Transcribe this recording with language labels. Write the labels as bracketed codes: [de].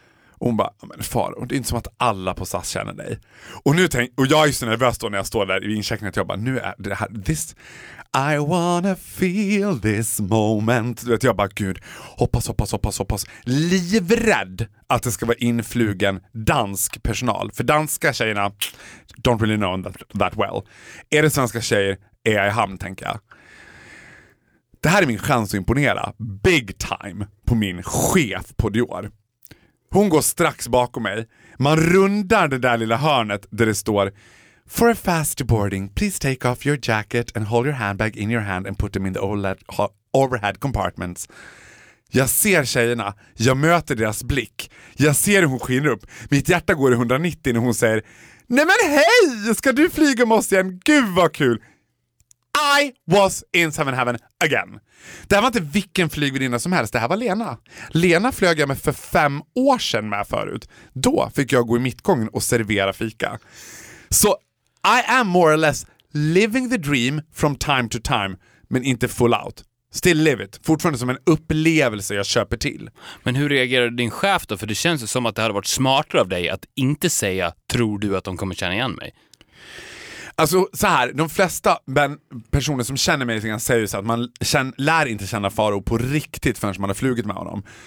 [sv] Och hon bara, men far, det är inte som att alla på SAS känner dig. Och nu och jag är så nervös då när jag står där i incheckningen, att jag bara, nu är det här, [en] this, I wanna feel this moment. [sv] Du vet, jag bara, gud, hoppas. Livrädd att det ska vara influgen dansk personal. För danska tjejerna, [en] don't really know that well. [sv] Är det svenska tjejer, är jag i hamn, tänker jag. Det här är min chans att imponera big time på min chef på Dior. Hon går strax bakom mig. Man rundar det där lilla hörnet där det står, [en] for a fast boarding, please take off your jacket and hold your handbag in your hand and put them in the overhead compartments. [sv] Jag ser tjejerna. Jag möter deras blick. Jag ser hur hon skiner upp. Mitt hjärta går i 190 när hon säger, nej men hej! Ska du flyga med oss igen? Gud vad kul! [en] I was in seven heaven again. [sv] Det här var inte vilken flygvärdinna som helst. Det här var Lena. Lena flög jag med för 5 år sedan med förut. Då fick jag gå i mittgången och servera fika. [en] Så I am more or less living the dream from time to time. [sv] Men inte [en] full out. Still live it. [sv] Fortfarande som en upplevelse jag köper till. Men hur reagerade din chef då? För det känns som att det hade varit smartare av dig att inte säga, tror du att de kommer känna igen mig? Alltså så här, de flesta personer som känner mig säger så att man lär inte känna Faro på riktigt förrän man har flugit med honom.